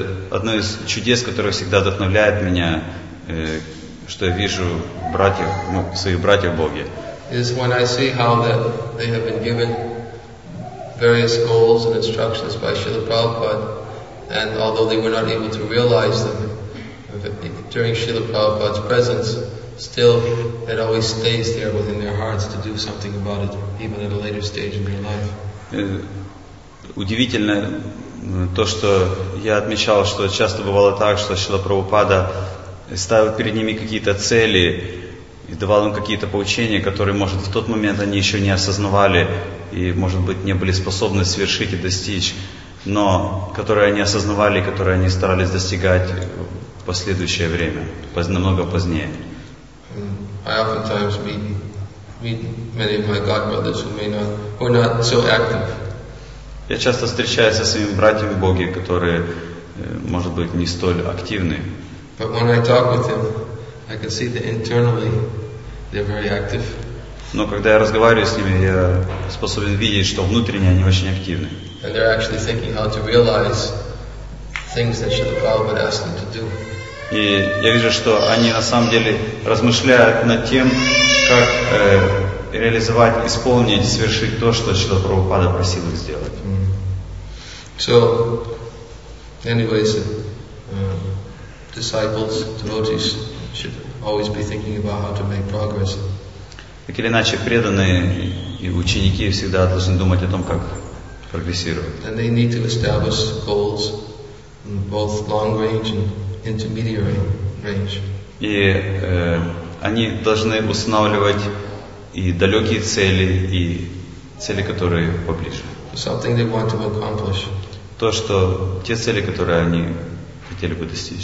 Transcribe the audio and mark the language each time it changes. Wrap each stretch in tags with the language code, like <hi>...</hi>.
<ru>Одно из чудес, которое всегда вдохновляет меня, что я вижу братьев, ну, своих братьев Боге.</ru> <en>Is when I see how that they have been given various goals and instructions by Srila Prabhupada, and although they were not able to realize them. During Srila Prabhupada's presence, still, it always stays there within their hearts to do something about it, even at a later stage in their life.</en> <ru>Удивительно то, что я отмечал, что часто бывало так, что Шрила Прабхупада ставил перед ними какие-то цели, и давал им какие-то поучения, которые, может, в тот момент они еще не осознавали и, может быть, не были способны свершить и достичь, но которые они осознавали, которые они старались достигать в последующее время, намного позднее.</ru> <en>I oftentimes meet many of my godbrothers who are not so active.</en> <ru>Я часто встречаюсь со своими братьями в Боге, которые, может быть, не столь активны.</ru> <en>But when I talk with them, I can see that internally they're very active.</en> <ru>Но когда я разговариваю с ними, я способен видеть, что внутренне они очень активны.</ru> <en>And they're actually thinking how to realize things that Srila Prabhupada asked them to do.</en> <ru>И я вижу, что они на самом деле размышляют над тем, как реализовать, исполнить, совершить то, что Шрила Прабхупада просил их сделать.</ru> <en>So, anyways, disciples, devotees should always be thinking about how to make progress.</en> <ru>Так или иначе, преданные и ученики всегда должны думать о том, как прогрессировать.</ru> <en>And they need to establish goals in both long range and intermediary range.</en> <ru>И они должны устанавливать и далекие цели, и цели, которые поближе.</ru> <en>Something they want to accomplish.</en> <ru>То, что те цели, которые они хотели бы достичь.</ru>